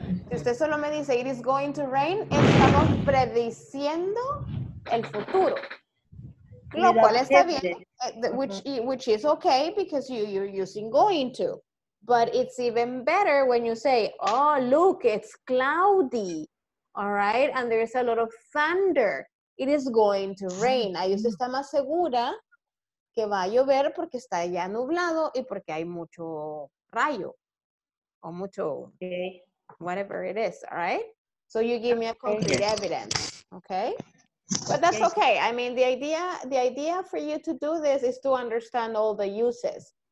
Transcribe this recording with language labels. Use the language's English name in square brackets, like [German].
[Spanish] Si usted solo me dice, [English] it is going to rain, [Spanish] estamos prediciendo el futuro. Lo cual está bien, [English] which is okay because you're using going to. But it's even better when you say, oh, look, it's cloudy, all right? And there's a lot of thunder. It is going to rain. [Spanish] Ahí usted está más segura que va a llover porque está ya nublado y porque hay mucho rayo o mucho [English] whatever it is, all right? So you give me a concrete evidence, okay? But that's okay. I mean, the idea for you to do this is to understand all the uses.